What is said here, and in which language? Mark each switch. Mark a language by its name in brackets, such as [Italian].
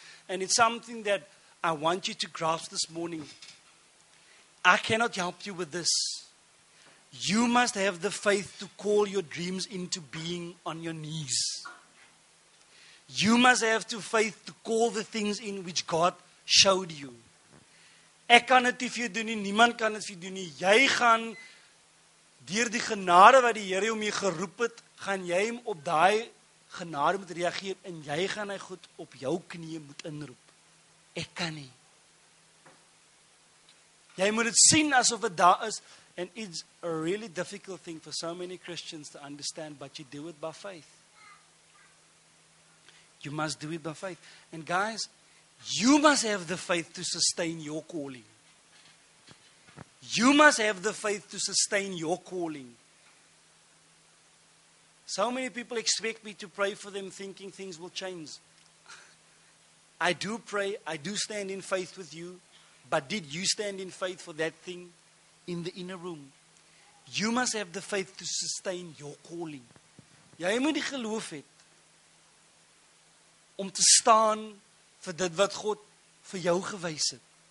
[English] And it's something that I want you to grasp this morning. I cannot help you with this. You must have the faith to call your dreams into being on your knees. You must have the faith to call the things in which God showed you. [Afrikaans] Ek kan dit vir jou doen nie, niemand kan dit vir jou doen nie. Jy gaan deur die genade wat die Here om jou geroep het, gaan jy hom op daai genade moet reageer en jy gaan hy goed op jou knie moet inroep. Ek kan nie. Jy moet dit sien asof dit daar is, [English] and it's a really difficult thing for so many Christians to understand, but you do it by faith. You must do it by faith. And guys, you must have the faith to sustain your calling. You must have the faith to sustain your calling. So many people expect me to pray for them thinking things will change. I do pray. I do stand in faith with you. But did you stand in faith for that thing in the inner room? You must have the faith to sustain your calling. [Afrikaans] Jy moet die geloof het om te staan vir dit wat God vir jou gewys het.